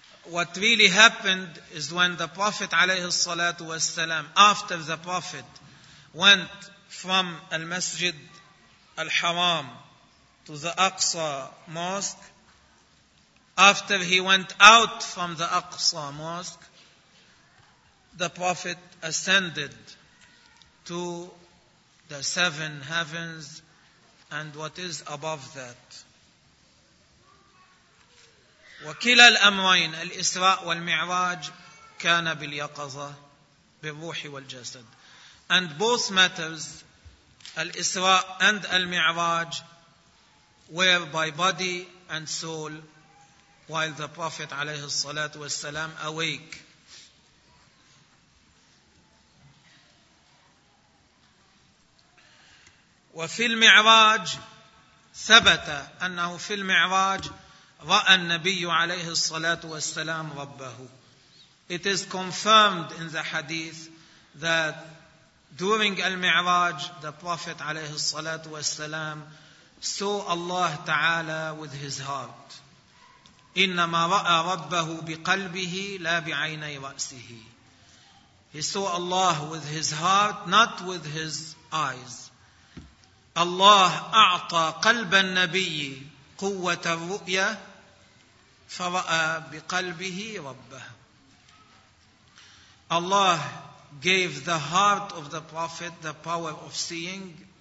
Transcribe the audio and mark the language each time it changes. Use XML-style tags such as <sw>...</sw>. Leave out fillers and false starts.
<en>What really happened is when the Prophet</en> <ar>عليه الصلاة والسلام,</ar> <en>after the Prophet went from المسجد الحرام to the Aqsa Mosque, after he went out from the Aqsa Mosque, the Prophet ascended to the seven heavens and what is above that.</en> <ar>وكلا الأمرين الإسراء والمعراج كان باليقظة بالروح والجسد.</ar> <en>And both matters, الإسراء and المعراج, were by body and soul, while the Prophet</en> <ar>عليه الصلاة والسلام</ar> <en>awake.</en> <ar>وفي المعراج ثبت أنه في المعراج رأى النبي عليه الصلاة والسلام ربه.</ar> <en>It is confirmed in the hadith that during al-Mi'raj, the Prophet</en> <ar>alayhi salatu wasalam</ar> <en>saw Allah Ta'ala with his heart.</en> <ar>إِنَّمَا رَأَى رَبَّهُ بِقَلْبِهِ لَا بِعَيْنَي رَأْسِهِ.</ar> <en>He saw Allah with his heart, not with his eyes.</en> <ar>Allah أَعْطَى قَلْبَ النَّبِيِّ قُوَّةَ الرُّؤْيَا فَرَأَى بِقَلْبِهِ رَبَّهُ.</ar> <en>Allah gave the heart of the Prophet the power of seeing.</en>